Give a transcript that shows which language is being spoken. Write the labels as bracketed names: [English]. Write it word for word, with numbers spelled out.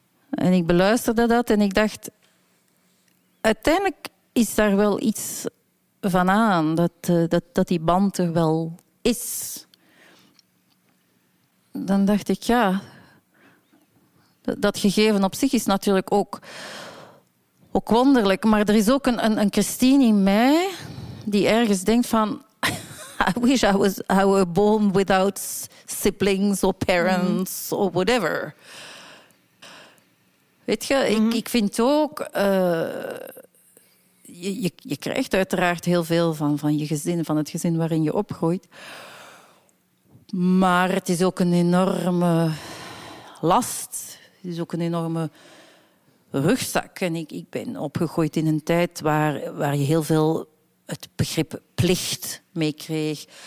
[Dutch] En ik beluisterde dat en ik dacht... Uiteindelijk is daar wel iets van aan. Dat, uh, dat, dat die band er wel... is. dan dacht ik, ja... Dat gegeven op zich is natuurlijk ook, ook wonderlijk. Maar er is ook een, een, een Christine in mij die ergens denkt van... [English] I wish I was I were born without siblings or parents mm. or whatever. [Dutch] Weet je, mm. ik, ik vind ook... Uh, je, je, je krijgt uiteraard heel veel van, van je gezin, van het gezin waarin je opgroeit. Maar het is ook een enorme last. Het is ook een enorme rugzak. En ik, ik ben opgegroeid in een tijd waar, waar je heel veel het begrip plicht mee kreeg.